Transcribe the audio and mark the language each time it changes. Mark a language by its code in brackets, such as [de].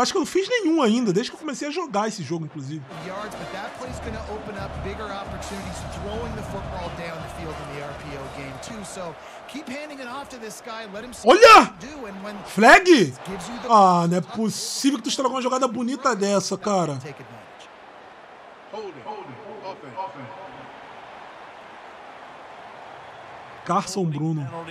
[pt] Acho que eu não fiz nenhum ainda, desde que eu comecei a jogar esse jogo, inclusive. [en] Yards, but that play's gonna open up bigger opportunities throwing the football down the field in the RPO game, too. So keep handing it off to this guy, let him see. [pt] Olha! [en] Flag? [pt] Ah, não é possível que tu estragou uma jogada bonita dessa, cara. Carson Bruno.